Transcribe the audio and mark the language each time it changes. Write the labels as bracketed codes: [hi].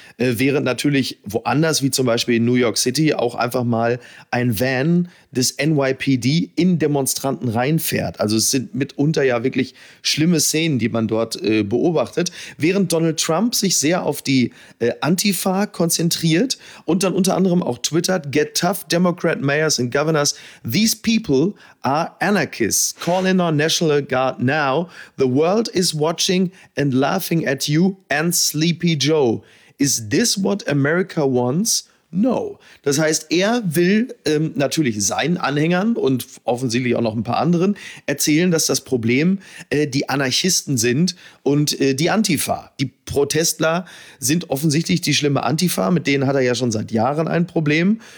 [de] Während natürlich woanders, wie zum Beispiel in New York City, auch einfach mal ein Van des NYPD in Demonstranten reinfährt. Also es sind mitunter ja wirklich schlimme Szenen, die man dort beobachtet. Während Donald Trump sich sehr auf die Antifa konzentriert und dann unter anderem auch twittert, [en] "Get tough, Democrat mayors and governors. These people are anarchists. Call in our National Guard now. The world is watching and laughing at you and Sleepy Joe. Is this what America wants? No." [de] Das heißt, er will natürlich seinen Anhängern und offensichtlich auch noch ein paar anderen erzählen, dass das Problem die Anarchisten sind und die Antifa. Die Protestler sind offensichtlich die schlimme Antifa, mit denen hat er ja schon seit Jahren ein Problem.